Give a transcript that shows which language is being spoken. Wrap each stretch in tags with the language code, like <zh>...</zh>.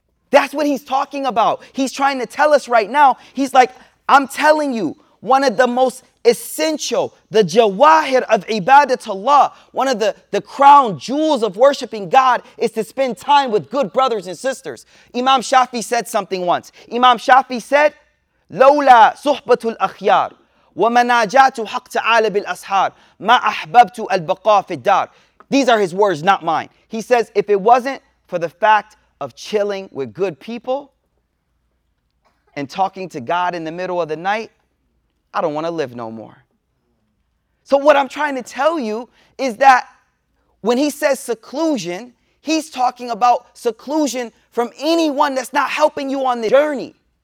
<en>That's what he's talking about. He's trying to tell us right now. He's like, I'm telling you, one of the most essential, the jawahir of ibadatullah, one of the crown jewels of worshiping God is to spend time with good brothers and sisters. Imam Shafi said something once. Imam Shafi said,</en> <ar>لَوْلَا صُحْبَةُ الْأَخْيَارِ وَمَنَاجَاتُ حَقْ تَعَالَ بِالْأَصْحَارِ مَا أَحْبَبْتُ الْبَقَى فِي الدَّارِ</ar> <en>These are his words, not mine. He says, if it wasn't for the fact of chilling with good people and talking to God in the middle of the night, I don't want to live no more. So what I'm trying to tell you is that when he says seclusion, he's talking about seclusion from anyone that's not helping you on the journey.</en>